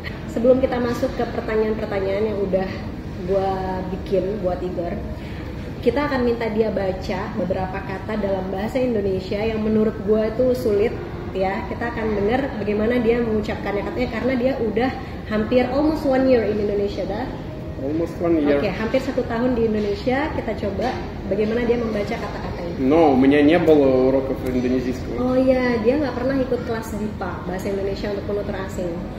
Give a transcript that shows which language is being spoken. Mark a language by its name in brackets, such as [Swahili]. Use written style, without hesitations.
[Indonesian] Sebelum kita masuk ke pertanyaan-pertanyaan yang udah gua bikin buat Igor, kita akan minta dia baca beberapa kata dalam bahasa Indonesia yang menurut gua itu sulit. ya. Kita akan dengar bagaimana dia mengucapkannya katanya, karena dia udah hampir [English] almost one year [Indonesian] in Indonesia, dah. [English] Almost one year. [Indonesian] Oke, hampir satu tahun di Indonesia. Kita coba bagaimana dia membaca kata-kata ini. [Russian] No, у меня не было уроков индонезийского. [Indonesian] Oh iya, dia nggak pernah ikut kelas BIPA, Bahasa Indonesia untuk penutur asing.